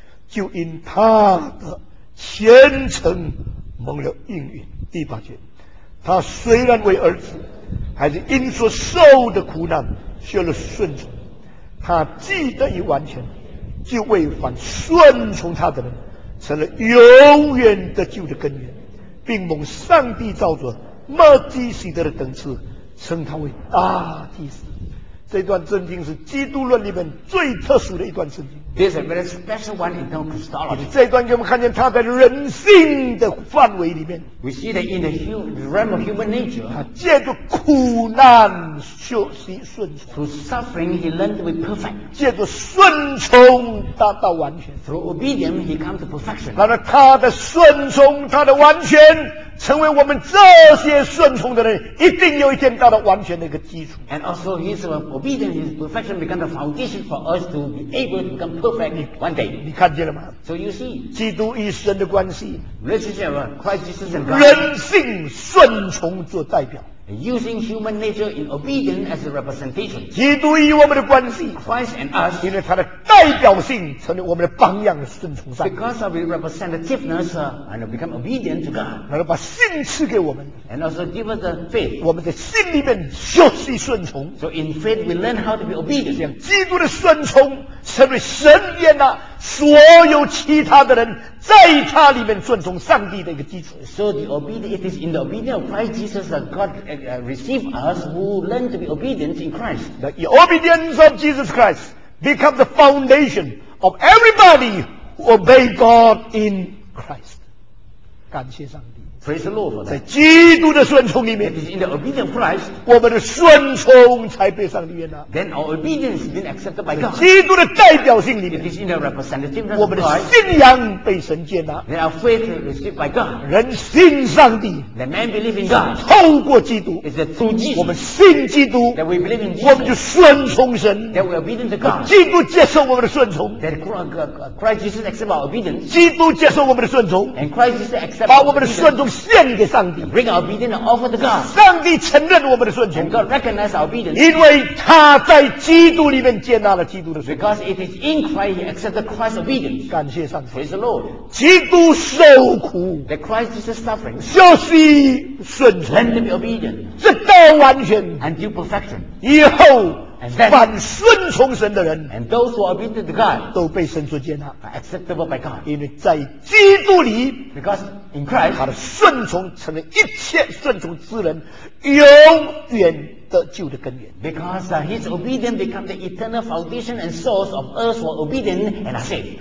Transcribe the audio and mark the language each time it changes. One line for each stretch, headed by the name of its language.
Chinese: 就因他的虔诚蒙了应允第八节他虽然为儿子还是因所受的苦难学了顺从他既得以完全就为凡顺从他的人成了永远的救的根源并蒙上帝造作末基洗德的等次称他为大祭司这段圣经是基督论里面最特殊的一段圣经
English: This is a very special one in known Christology
Chinese: 这段给我们看见他在人性的范围里面
English: We see that in the realm of human nature
Chinese: 他借着苦难学习顺从
English: Through suffering he learned to be perfect
Chinese: 借着顺从达到完全
English: Through obedience he comes to perfection
Chinese: 然而他的顺从他的完全成为我们这些顺从的人一定有一天达到完全的一个基础
English: and also his obedience his perfection become the foundation for us to be able to become perfect one day
Chinese: 你看见了吗
English: so you see
Chinese: 基督与神的关系
English: relationship of Christ Jesus and God
Chinese: 人性顺从做代表
English: using human nature in obedience as a representation
Chinese: 基督与我们的关系
English: Christ and us
Chinese: 因为他的代表性成为我们的榜样顺从上
English: because of his representativeness and become obedient to God
Chinese: 然后把信赐给我们
English: and also give us the faith
Chinese: 我们在信里面学习顺从
English: so in faith we learn how to be obedient
Chinese: 这样基督的顺从成为神愿啊所有其他的人在他里面顺从上帝的一个基础
English: so the obedience it is in the obedience of Christ Jesus that God receive us who learn to be obedient in Christ the obedience of Jesus Christ become the foundation of everybody who obey God in Christ
Chinese: 感谢上帝
English: praise the Lord for that
Chinese: 在基督的顺从里面
English: it is in the obedience of Christ
Chinese: 我们的顺从才被上帝悦纳
English: then our obedience has been accepted by God
Chinese: 在基督的代表性里面
English: it is in the representative of
Chinese: 我们的信仰被神接纳
English: then our faith is received by God
Chinese: 人信上帝
English: the man believe in God
Chinese: 透过基督
English: is it through Jesus
Chinese: 我们信基督
English: that we believe in Jesus
Chinese: 我们就顺从神
English: that we are obedient to God
Chinese: 基督接受我们的顺从
English: that Christ Jesus accept our obedience
Chinese: 基督接受我们的顺从
English: and Christ Jesus accept our obedience
Chinese: 把我们的顺从献给上帝
English: bring our obedience and offer to God
Chinese: 上帝承认我们的顺从
English: and God recognize our obedience
Chinese: 因为他在基督里面接纳了基督的顺从
English: because it is in Christ he accepted Christ's obedience
Chinese: 感谢上帝
English: praise the Lord
Chinese: 基督受苦
English: that Christ Jesus suffering
Chinese: 学习顺从
English: learn to be obedient
Chinese: 直到完全
English: until perfection
Chinese: 以后
English: and then,
Chinese: 凡顺从神的人
English: and those who are obedient to God
Chinese: 都被神所接纳
English: are acceptable by God
Chinese: 因为在基督里
English: becauseIn Christ,
Chinese: 他的顺从成了一切顺从之人永远得救的根源
English: Because his obedience becomes the eternal foundation and source of us who are obedient and are saved